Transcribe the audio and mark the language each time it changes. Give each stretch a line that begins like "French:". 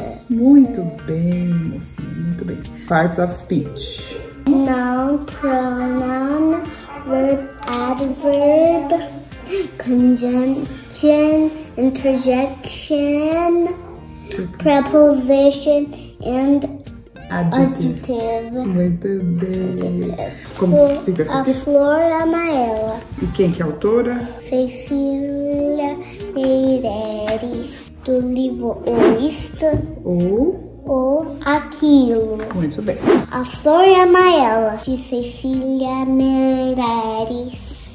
Portuguese: Muito bem, mocinha, muito bem.
English: Parts of speech. Noun, pronoun, verb, adverb, conjunction, interjection, preposition and adjective.
Portuguese: Muito bem. Como fica a flor amarela. E quem que é a autora? Cecília Meireles. Do livro O Isto ou Aquilo. Muito bem. A flor amarela, de Cecília Meireles.